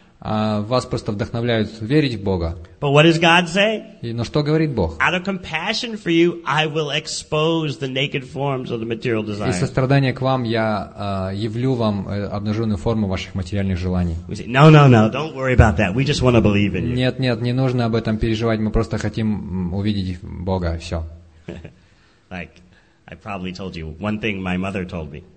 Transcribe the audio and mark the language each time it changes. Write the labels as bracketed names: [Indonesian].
[Russian] Вас просто вдохновляют верить в Бога. [English] But what does God say? [Russian] Но что говорит Бог? [English] Out of compassion for you, I will expose the naked forms of the material desires. [Russian] Из сострадания к вам я явлю вам обнаженную форму ваших материальных желаний. [English] We say, no, don't worry about that. We just want to believe in you. [Russian] Нет, не нужно об этом переживать. Мы просто хотим увидеть Бога. Все. [English] Like I probably told you one thing my mother told me.